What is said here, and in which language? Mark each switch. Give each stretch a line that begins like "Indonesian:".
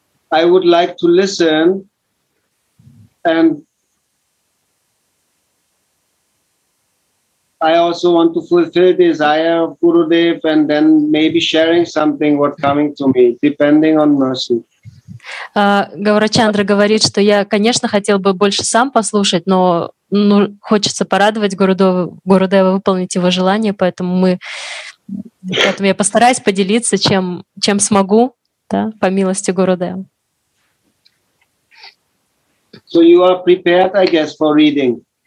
English: I would like to listen and I also want to fulfill desire of Gurudev and then maybe sharing something what coming to me, depending on mercy.
Russian: Гаурачандра говорит, что я, конечно, хотел бы больше сам послушать, но ну, хочется порадовать Гурудева, выполнить его желание, поэтому я постараюсь поделиться, чем смогу, да, по милости Гурудева.
English: So you are prepared, I guess, for reading?